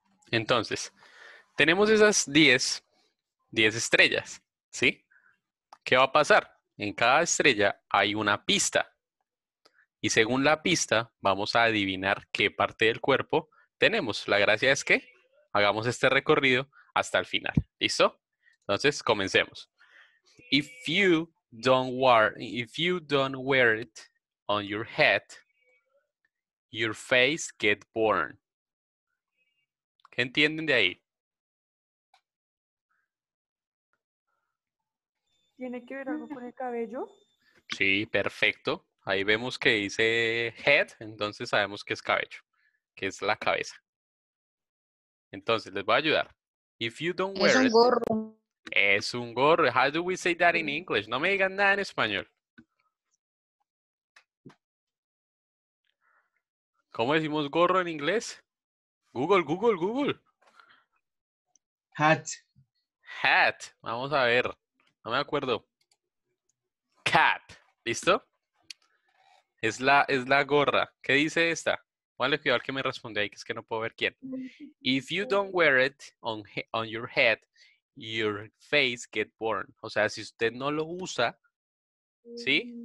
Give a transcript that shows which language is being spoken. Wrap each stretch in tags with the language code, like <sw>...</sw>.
<es>Entonces, tenemos esas 10 estrellas, ¿sí? ¿Qué va a pasar? En cada estrella hay una pista. Y según la pista, vamos a adivinar qué parte del cuerpo tenemos. La gracia es que hagamos este recorrido hasta el final. ¿Listo? Entonces, comencemos.</es> <en>If you don't wear it on your head, your face get burned.</en> <es>¿Qué entienden de ahí? ¿Tiene que ver algo con el cabello? Sí, perfecto. Ahí vemos que dice head, entonces sabemos que es cabello, que es la cabeza. Entonces, les voy a ayudar.</es> <en>If you don't wear</en> <es>it. Es un gorro. Es un gorro.</es> <en>How do we say that in English?</en> <es>No me digan nada en español. ¿Cómo decimos gorro en inglés? Google.</es> <en>Hat.</en> <es>Vamos a ver. No me acuerdo. Cap. ¿Listo? Es la gorra. ¿Qué dice esta? Vale, cuidado al que me responde ahí, que es que no puedo ver quién.</es> <en>If you don't wear it on your head, your face get burned.</en> <es>O sea, si usted no lo usa, ¿sí?</es>